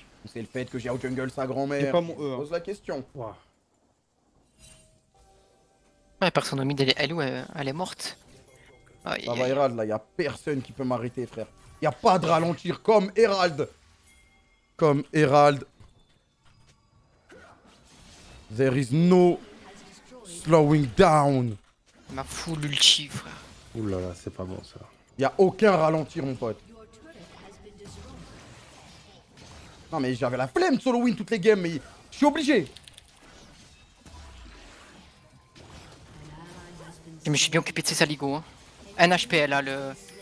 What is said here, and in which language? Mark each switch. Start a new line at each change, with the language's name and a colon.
French: C'est le fait que j'ai out jungle sa grand-mère. C'est pas mon E. Hein. Pose la question. Ouais. Ouais, personne au mid, elle est morte. Ça va, Herald, là, y'a personne qui peut m'arrêter, frère. Y'a pas de ralentir comme Herald. Comme Herald.
English: There is no slowing down.
French: Ma full ulti, frère. Oulala, c'est pas bon ça. Y'a aucun ralentir, mon pote. Non, mais j'avais la flemme de solo win toutes les games, mais je suis obligé. Je me suis bien occupé de ces saligots. Hein. NHPL, là, le.